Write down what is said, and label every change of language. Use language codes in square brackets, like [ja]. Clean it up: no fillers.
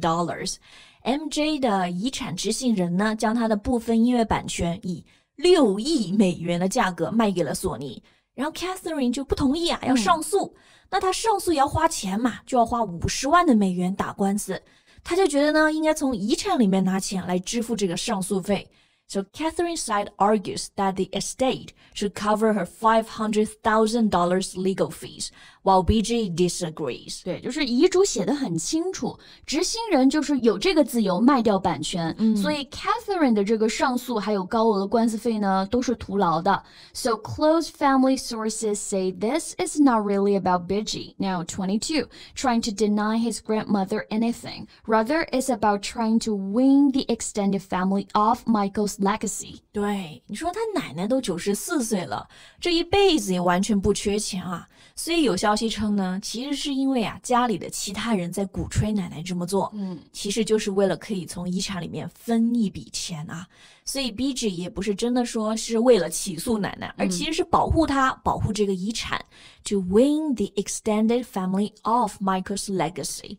[zh] MJ 的遗产执行人呢，将他的部分音乐版权以六亿美元的价格卖给了索尼，然后 Catherine 就不同意啊，要上诉。那他上诉也要花钱嘛，就要花$500,000打官司。他就觉得呢，应该从遗产里面拿钱来支付这个上诉费。 [en] So Catherine's side argues that the estate should cover her $500,000 legal fees, while BG disagrees. [zh] 对，就是遗嘱写得很清楚，执行人就是有这个自由卖掉版权，所以 Catherine 的这个上诉还有高额官司费呢，都是徒劳的。 [en] So close family sources say this is not really about BG, now 22, trying to deny his grandmother anything. Rather, it's about trying to wean the extended family off Michael's. Legacy. [zh] 对，你说他奶奶都94岁了，这一辈子也完全不缺钱啊。所以有消息称呢，其实是因为啊，家里的其他人在鼓吹奶奶这么做，其实就是为了可以从遗产里面分一笔钱啊。所以 BG 也不是真的说是为了起诉奶奶，而其实是保护她，保护这个遗产 [en] to win the extended family of Michael's legacy.